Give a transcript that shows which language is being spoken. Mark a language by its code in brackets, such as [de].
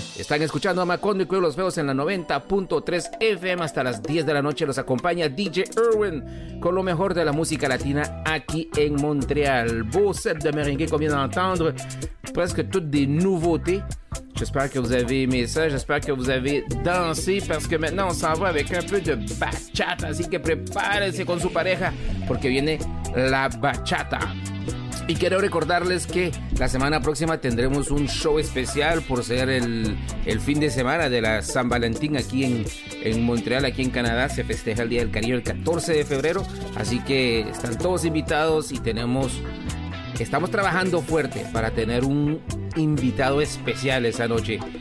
[es] Escuchando a Macondo y Cuello Los Feos en la 90.3 FM hasta las 10 de la noche. Los acompaña DJ Irwin con lo mejor de la música latina aquí en Montreal. [fr] Beau set de merengue qu'on vient d'entendre. Presque toutes des nouveautés. J'espère que vous avez aimé ça. J'espère que vous avez dansé parce que maintenant on s'en va avec un peu de bachata. [es] Así que prepárense con su pareja porque viene la bachata. Y quiero recordarles que la semana próxima tendremos un show especial por ser el fin de semana de la San Valentín aquí en Montreal, aquí en Canadá. Se festeja el Día del Cariño el 14 de febrero, así que están todos invitados y estamos trabajando fuerte para tener un invitado especial esa noche.